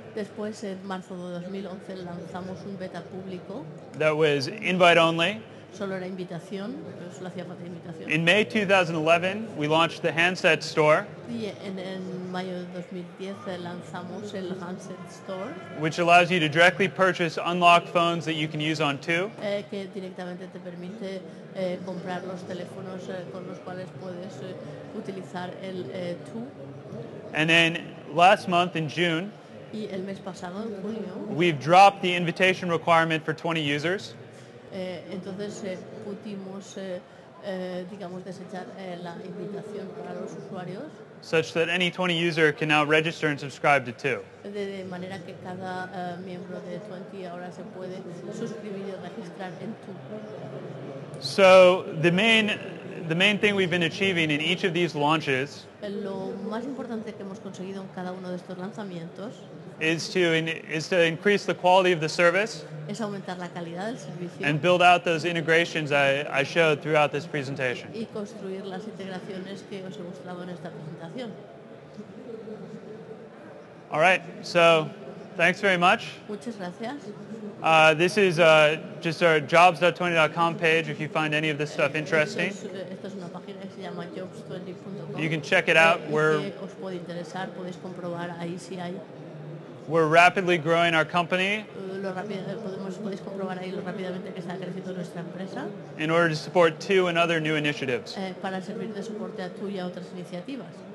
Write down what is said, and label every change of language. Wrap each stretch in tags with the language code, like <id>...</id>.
<es>Después, en marzo de 2011, lanzamos un beta público.</es> <en>That was invite only.</en> <es>Solo era invitación, pero solo hacía falta invitación.</es> <en>In May 2011, we launched the handset store.</en> <es>Y en mayo de 2010, lanzamos el handset store.</es> <en>Which allows you to directly purchase unlocked phones that you can use on Two.</en> <es>Que directamente te permite comprar los teléfonos con los cuales puedes utilizar el Two.</es> <en>And then last month in June,</en> <es>y el mes pasado, en junio,</es> <en>we've dropped the invitation requirement for 20 users.</en> <es>Entonces pudimos, digamos, desechar la invitación para los usuarios.</es> <en>Such that any 20 user can now register and subscribe to Two.</en> <es>De manera que cada miembro de 20 ahora se puede suscribir y registrar en Two.</es> <en>So the main thing we've been achieving in each of these launches.</en> <es>Lo más importante que hemos conseguido en cada uno de estos lanzamientos.</es> <en>Is to increase the quality of the service.</en> <es>Es aumentar la calidad del servicio.</es> <en>And build out those integrations I showed throughout this presentation.</en> <es>Y construir las integraciones que os he mostrado en esta presentación.</es> <en>All right. So thanks very much.</en> <es>Muchas gracias.</es> <en>This is just our jobs.20.com page if you find any of this stuff interesting.</en> <es>Esto es una página que se llama jobs20.com.</es> <en>You can check it out.</en> <es>Os puede interesar, podéis comprobar ahí si hay.</es> <en>We're rapidly growing our company.</en> <es>Podéis comprobar ahí lo rápidamente que está creciendo nuestra empresa.</es> <en>In order to support two and other new initiatives.</en> <es>Para servir de soporte a tú y a otras iniciativas.</es>